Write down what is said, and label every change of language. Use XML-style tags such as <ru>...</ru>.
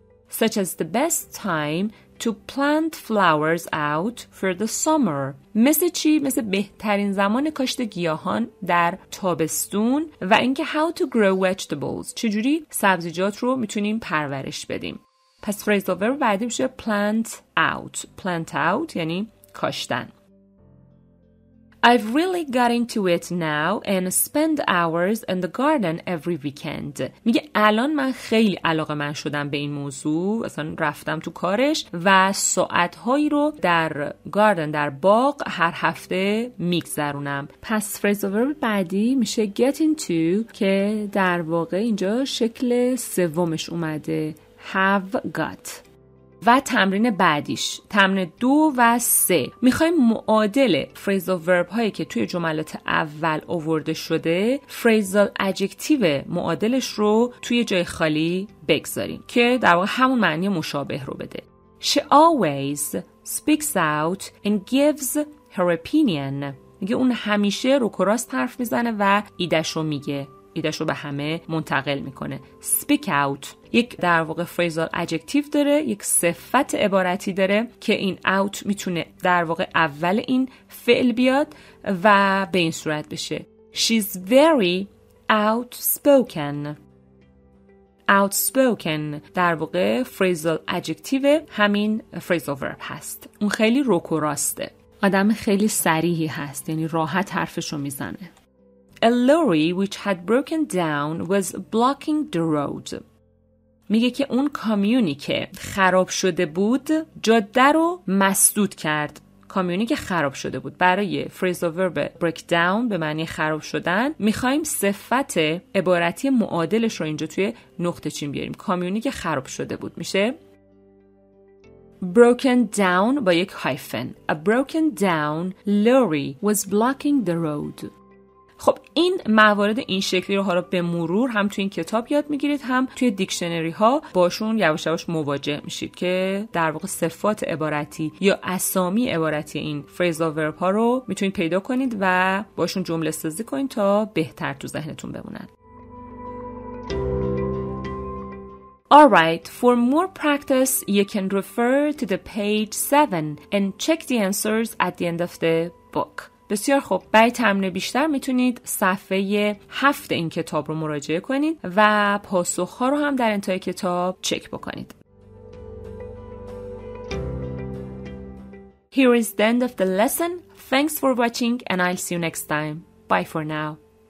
<en>Such as the best time to plant flowers out for the summer.</en> <fa>مثل چی؟ مثل بهترین زمان کاشت گیاهان در تابستون و اینکه</fa> <en>how to grow vegetables.</en> <fa>چجوری سبزیجات رو میتونیم پرورش بدیم. پس phrasal verb بعدی میشه plant out. Plant out یعنی کاشتن.</fa> <en>I've really got into it now and spend hours in the garden every weekend.</en> <fa>میگه الان من خیلی علاقه من شدم به این موضوع، اصلا رفتم تو کارش و ساعتهایی رو در گاردن، در باغ هر هفته میگذرونم. پس phrasal verb بعدی میشه get into که در واقع اینجا شکل سومش اومده have got. و تمرین بعدیش، تمرین 2 و 3، میخواییم معادل phrasal verb هایی که توی جملات اول آورده شده phrasal adjective معادلش رو توی جای خالی بگذاریم که در واقع همون معنی مشابه رو بده.</fa> <en>She always speaks out and gives her opinion.</en> <fa>میگه اون همیشه رو کراست حرف میزنه و ایدش رو میگه، ایدش رو به همه منتقل میکنه. speak out یک در واقع phrasal adjective داره، یک صفت عبارتی داره که این out میتونه در واقع اول این فعل بیاد و به این صورت بشه.</fa> <en>She's very outspoken.</en> <fa>Outspoken در واقع phrasal adjective همین phrasal verb هست. اون خیلی روک و راسته، آدم خیلی صریحی هست، یعنی راحت حرفشو میزنه.</fa> <en>A lorry which had broken down was blocking the road.</en> <fa>میگه که اون کامیونی که خراب شده بود جاده رو مسدود کرد. کامیونی که خراب شده بود، برای phrasal verb break down به معنی خراب شدن میخواییم صفت عبارتی معادلش رو اینجا توی نقطه چین بیاریم. کامیونی که خراب شده بود میشه broken down با یک hyphen.</fa> <en>A broken down lorry was blocking the road.</en> <fa>خب این موارد این شکلی رو ها رو به مرور هم توی این کتاب یاد میگیرید، هم توی دیکشنری ها باشون یواش یواش مواجه میشید که در واقع صفات عبارتی یا اسامی عبارتی این phrasal verb ها رو میتونید پیدا کنید و باشون جمله سازی کنید تا بهتر تو ذهنتون بمونن.</fa> <en>Alright, for more practice you can refer to the page 7 and check the answers at the end of the book.</en> <fa>بسیار خوب، برای تمرین بیشتر میتونید صفحه 7 این کتاب رو مراجعه کنید و پاسخ‌ها رو هم در انتهای کتاب چک بکنید.</fa> <en>Here is the end of the lesson. Thanks for watching and I'll see you next time. Bye for now.</en>